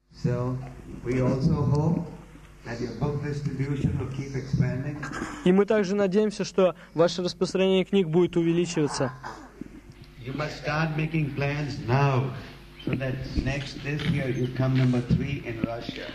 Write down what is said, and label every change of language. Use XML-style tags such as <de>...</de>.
<en>So we also hope that your book distribution will keep expanding.</en> <ru>И мы также надеемся, что ваше распространение книг будет увеличиваться.</ru> <en>You must start making plans now. So that next this year you come number 3 in Russia.</en>